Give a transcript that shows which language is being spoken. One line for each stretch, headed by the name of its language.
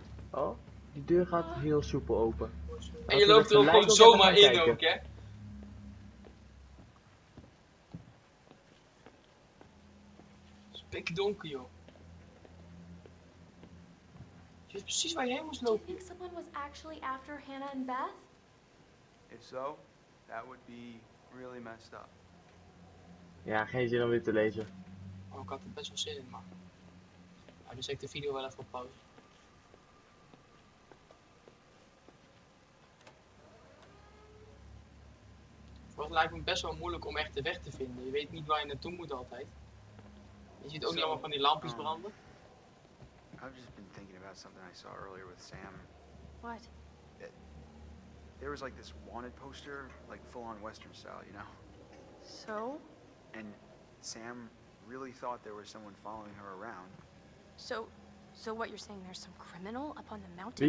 Dutch: Oh, die deur gaat heel soepel open. En je loopt er ook gewoon zomaar in ook, hè? Spik donker, joh. Je weet precies waar je heen moest lopen.
English: Do you think someone was actually after Hannah and Beth? If so, that would be really messed up.
Dutch: Ja, geen zin om dit te lezen. Oh, ik had er best wel zin in, man. Ja, dus ik de video wel even op pauze. Het lijkt me best wel moeilijk om echt de weg te vinden. Je weet niet waar je naartoe moet altijd. Je ziet ook niet allemaal van die lampjes branden.
English: I've just been thinking about something I saw earlier with Sam. What? There was like this wanted poster, like full on western style, you know? So? And Sam really thought there was someone following her around. So what you're saying, there's some criminal up on the mountain?